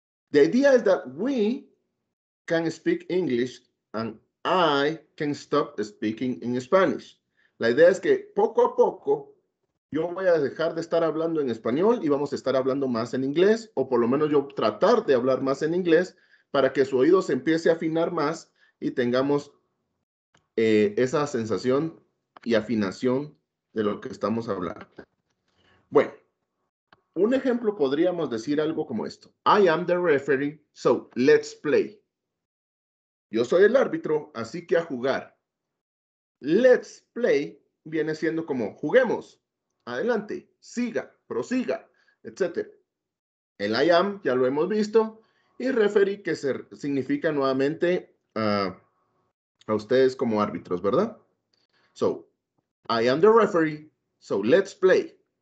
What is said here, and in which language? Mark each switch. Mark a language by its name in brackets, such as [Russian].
[English] The idea is that we can speak English and I can stop speaking in Spanish. [Spanish] La idea es que poco a poco yo voy a dejar de estar hablando en español y vamos a estar hablando más en inglés, o por lo menos yo tratar de hablar más en inglés para que su oído se empiece a afinar más y tengamos esa sensación y afinación de lo que estamos hablando. Bueno, un ejemplo podríamos decir algo como esto. [English] I am the referee, so let's play. [Spanish] Yo soy el árbitro, así que a jugar. [English] Let's play [Spanish] viene siendo como juguemos. Adelante, siga, prosiga, etc. El I am ya lo hemos visto. Y referee que significa nuevamente a ustedes como árbitros, ¿verdad? [English] So, I am the referee, so let's play.